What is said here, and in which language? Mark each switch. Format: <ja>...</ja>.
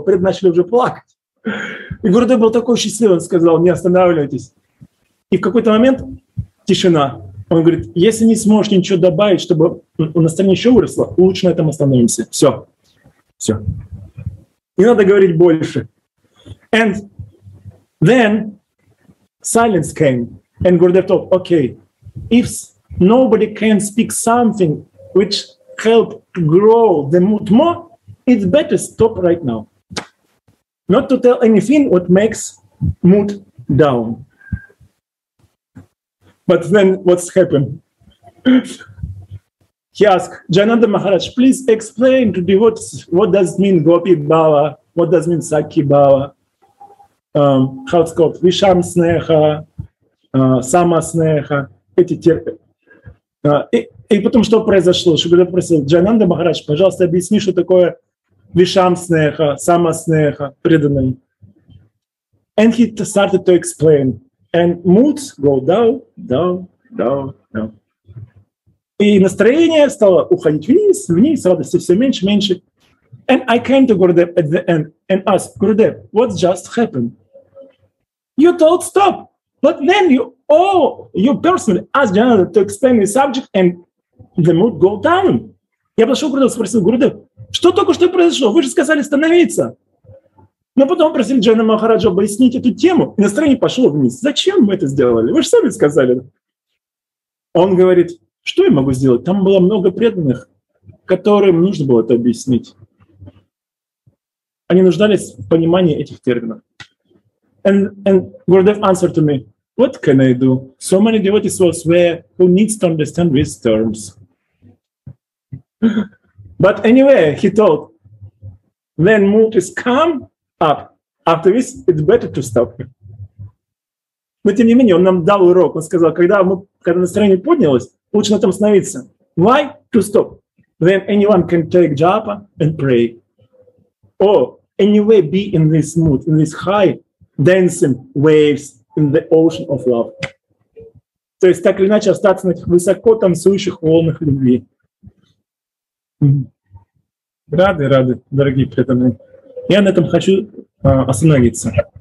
<ru>Пред начали уже плакать. И Гурде был такой счастливый, он сказал, не останавливайтесь. И в какой-то момент тишина. Он говорит, если не сможете ничего добавить, чтобы настроение еще выросло, лучше на этом остановимся. Все. Не надо говорить больше.</ru> <en>And then silence came. And Gurde thought, okay, if nobody can speak something which help grow the mood more, it's better stop right now. Not to tell anything what makes mood down. But then what's happened? He asked, Jayananda Maharaj, please explain to devotees what does mean Gopi Bhava, what does mean Sakhi Bhava, how it's called Visham Sneha, Sama Sneha,</en> <ru>эти терпят. И потом что произошло? Шугурдев просил, Джайнанда Махарадж, пожалуйста, объясни, что такое Вишам Снеха, Сама Снеха, преданный.</ru> <en>And he started to explain. And moods go down.</en> <ru>И настроение стало уходить вниз, радости все меньше.</ru> <en>And I came to Gurdev at the end and asked, Gurdev, what just happened? You told stop, but then you... Oh, you personally asked Jananda to explain the subject and the mood go down.</en> <ru>Я подошел к Гурдеву и спросил, Гурдев, что только что произошло? Вы же сказали становиться. Но потом просил Джайнанда Махараджа объяснить эту тему. И настроение пошло вниз. Зачем мы это сделали? Вы же сами сказали. Он говорит, что я могу сделать? Там было много преданных, которым нужно было это объяснить. Они нуждались в понимании этих терминов.</ru> <en>And Gurdev answered to me, what can I do? So many devotees was there who needs to understand these terms. But anyway, he told, when mood is calm up, after this, it's better to stop.</en> <ru>Но тем не менее, он нам дал урок. Он сказал, когда настроение поднялось, лучше на этом остановиться.</ru> <en>Why? To stop. Then anyone can take japa and pray. Or anyway, be in this mood, in this high dancing waves, in the ocean of love.</en> <ru>То есть так или иначе остаться на этих высоко танцующих волнах любви. Рады, дорогие преданные. Я на этом хочу остановиться.</ru>